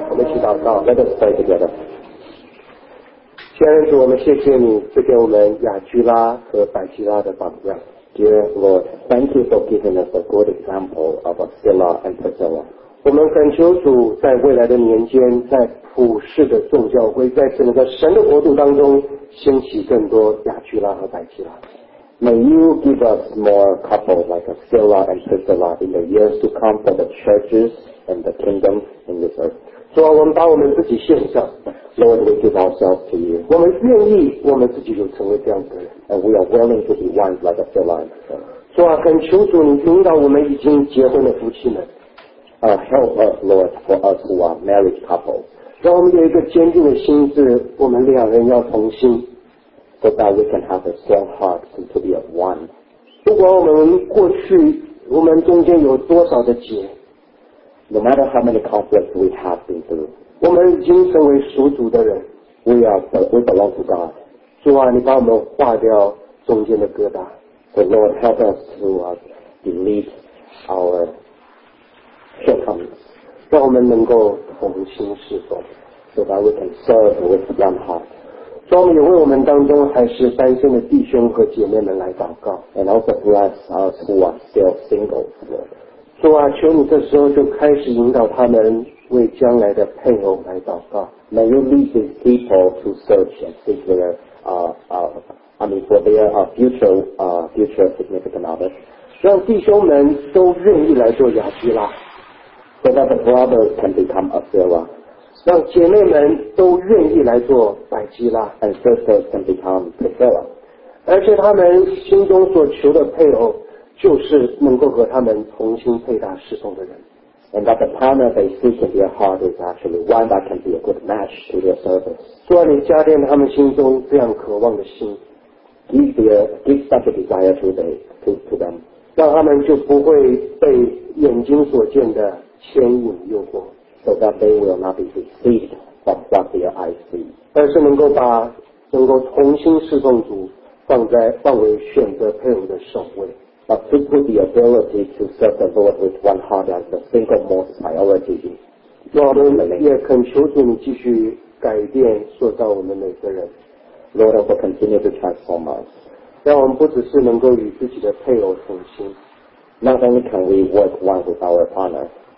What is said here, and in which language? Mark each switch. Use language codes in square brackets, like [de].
[zh] 我们去祷告，来，再一起祷告。亲爱的主，我们谢谢你赐给我们亚居拉和百基拉的榜样。 [en] Dear Lord, thank you for giving us a good example of Aquila and Priscilla. [zh] 我们恳求主在未来的年间，在普世的众教会，在整个神的国度当中，兴起更多亚居拉和百基拉。 [en] May you give us more couples like Aquila and Priscilla in the years to come for the churches and the kingdom in this earth. [zh] 主啊，我们把我们自己献上。 [en] Lord, we give ourselves to you. [zh] 我们愿意我们自己就成为这样的人。 [en] And we are willing to be one like Aquila and Priscilla. [zh] 主啊，恳求主你引导我们已经结婚的夫妻们。 [en] Help us, Lord, for us who are married couples. [zh] 让我们有一个坚定的心智，我们两人要同心。 [en] So that we can have a strong heart and to be of one. [zh] 不管我们过去我们中间有多少的结， [en] No matter how many conflicts we have been through, [zh] 我们已经成为属主的人。 [en] We belong to God. [zh] 主啊，你把我们化掉中间的疙瘩。 [en] So Lord, help us to delete our shortcomings. [zh] 让我们能够同心侍奉。 [en] So that we can serve with one heart. [zh] 专门也为我们当中还是单身的弟兄和姐妹们来祷告。 [en] And also bless us who are still single. [zh] 主啊，求你这时候就开始引导他们为将来的配偶来祷告。 [en] May you lead these people to search and seek for their future significant other. [zh] 让弟兄们都愿意来做亚基拉。 [en] So that the brothers can become a Sarah. [zh] 让姐妹们都愿意来做百基拉 [en] ，and sisters can become Priscilla， [zh] 而且他们心中所求的配偶就是能够和他们同心配搭侍奉的人。 [en] And that the partner they seek in their heart is actually one that can be a good match to their service. [zh] 做你家电他们心中这样渴望的心, [en] give such a desire to them. [zh] 让他们就不会被眼睛所见的牵引诱惑, [en] so that they will not be deceived from what their eyes see. [zh] 而是能够把能够同心侍奉主放在范围选择配偶的首位。 [en] But to put the ability to serve the Lord with one heart as the single most priority. [zh] 我们也恳求主你继续改变塑造我们每个人。 [en] Lord, I will continue to transform us. [zh] 让我们不只是能够与自己的配偶同心, [en] not only can we work one with our partner,